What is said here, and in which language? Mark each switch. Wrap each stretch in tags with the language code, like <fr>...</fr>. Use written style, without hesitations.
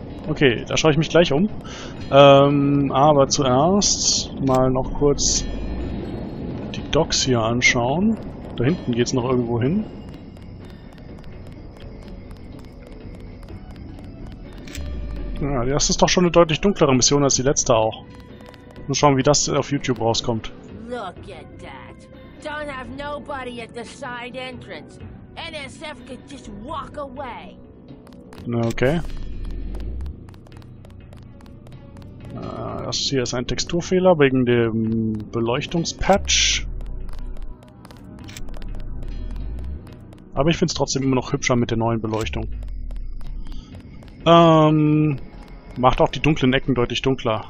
<de>Okay, da schaue ich mich gleich um. Aber zuerst mal noch kurz die Docks hier anschauen. Da hinten geht's noch irgendwo hin. Ja, das ist doch schon eine deutlich dunklere Mission als die letzte auch. Mal schauen, wie das auf YouTube rauskommt.</de> <en>Look at that. Don't have nobody at the side entrance. NSF could just walk away. Okay.</en> <de>Das hier ist ein Texturfehler wegen dem Beleuchtungspatch. Aber ich finde es trotzdem immer noch hübscher mit der neuen Beleuchtung. Macht auch die dunklen Ecken deutlich dunkler.</de>